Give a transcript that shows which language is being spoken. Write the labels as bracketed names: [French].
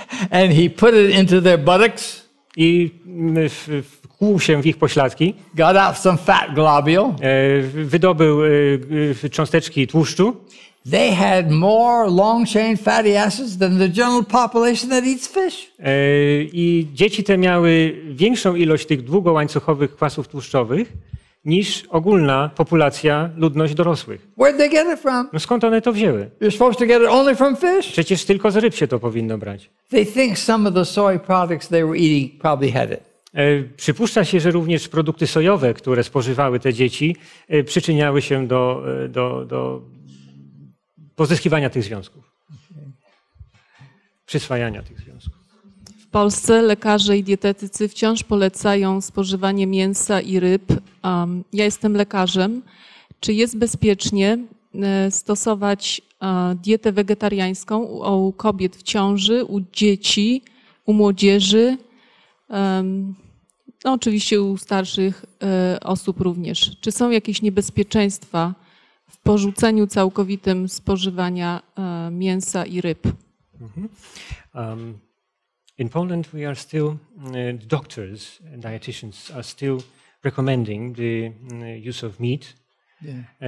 [English] And he put it into their buttocks. [Polish] I wkłuł się w ich pośladki. [English] Got out some fat globule. [Polish] Wydobył cząsteczki tłuszczu. [English] They had more long chain fatty acids than the general population that eats fish. [Polish] I dzieci te miały większą ilość tych długołańcuchowych kwasów tłuszczowych niż ogólna populacja, ludność dorosłych. [English] Where'd they get it from? [Polish] No skąd one to wzięły? [English] You're supposed to get it only from fish? [Polish] Przecież tylko z ryb się to powinno brać. [English] They think some of the soy products they were eating probably had it. [Polish] Przypuszcza się, że również produkty sojowe, które spożywały te dzieci, przyczyniały się do pozyskiwania tych związków, przyswajania tych związków. W Polsce lekarze i dietetycy wciąż polecają spożywanie mięsa i ryb. Ja jestem lekarzem. Czy jest bezpiecznie stosować dietę wegetariańską u kobiet w ciąży, u dzieci, u młodzieży? No oczywiście u starszych osób również. Czy są jakieś niebezpieczeństwa w porzuceniu całkowitym spożywania mięsa i ryb? Mm-hmm. [English] In Poland we are still the doctors and dietitians are still recommending the use of meat. Yeah.